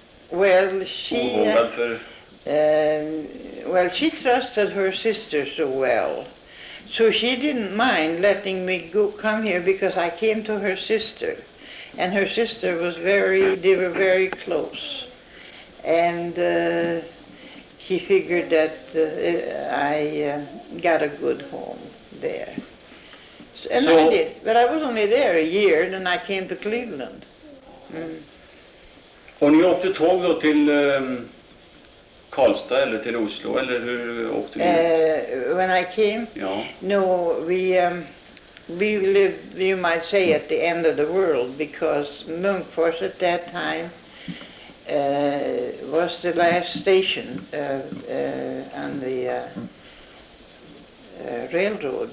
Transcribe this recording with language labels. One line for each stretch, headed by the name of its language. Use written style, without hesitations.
English: Well, she trusted her sister so well, so she didn't mind letting me go come here because I came to her sister, and her sister was they were very close, and she figured that I got a good home there. So I did, but I was only there a year, and then I came to Cleveland. Mm.
Swedish: Och ni åkte tåg då till Karlstad eller till Oslo eller hur åkte ni?
English: When I came?
Swedish: Ja.
English: No, we lived, you might say, at the end of the world because Munkfors at that time was the last station on the railroad.